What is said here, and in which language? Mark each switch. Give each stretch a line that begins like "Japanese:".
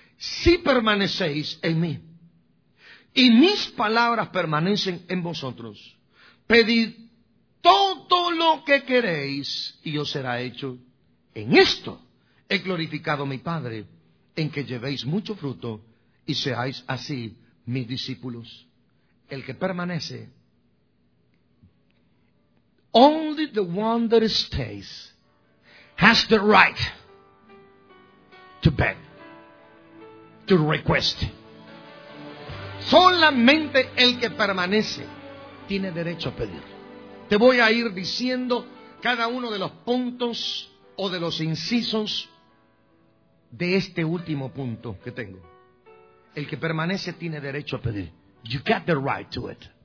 Spanish: Si permanecéis en mí, y mis palabras permanecen en vosotros, pedid todo lo que queréis y os será hecho. En esto he glorificado a mi Padre, en que llevéis mucho fruto y seáis así mis discípulos. El que permanece,
English: only the one that stays has the right to beg, to request.
Spanish: Solamente el que permanece tiene derecho a pedir. Te voy a ir diciendo cada uno de los puntos o de los incisos de este último punto que tengo. El que permanece tiene derecho a pedir.
English: You got the right to it.